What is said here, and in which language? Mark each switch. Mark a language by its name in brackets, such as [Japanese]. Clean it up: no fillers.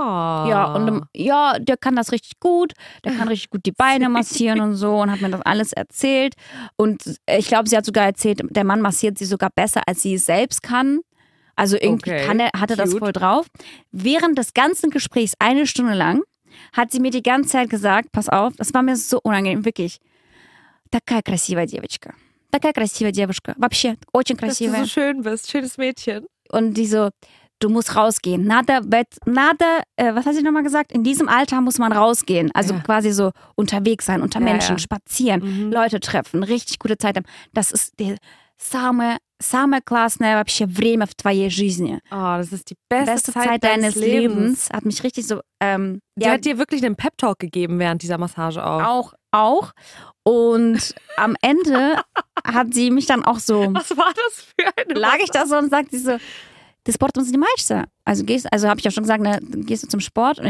[German] Ja, und der kann das richtig gut. Der kann richtig gut die Beine massieren und so und hat mir das alles erzählt. Und ich glaube, sie hat sogar erzählt, der Mann massiert sie sogar besser, als sie es selbst kann. Also irgendwie hat er das voll drauf. Während des ganzen Gesprächs, eine Stunde lang, hat sie mir die ganze Zeit gesagt, pass auf, das war mir so unangenehm, wirklich. [Russian] Такая красивая девочка. Такая красивая девушка. Вообще, очень красивая. [German] Dass du so schön bist, schönes Mädchen. Und die so, du musst rausgehen. Was hat sie nochmal gesagt? In diesem Alter muss man rausgehen. Also quasi so unterwegs sein, unter Menschen, spazieren, Leute treffen, richtig gute Zeit haben. Das ist die [Russian] самое классное вообще время в твоей жизни. [German] Oh, das ist die beste Zeit deines Lebens. Hat mich richtig so... hat dir wirklich einen Pep-Talk gegeben während dieser Massage auch. Auch. Und am Ende hat sie mich dann auch so... Was war das für eine Massage? Lag ich da so und sagt sie so, das Sportum sind die meisten. Also habe ich ja schon gesagt, ne, gehst du zum Sport? Und ja.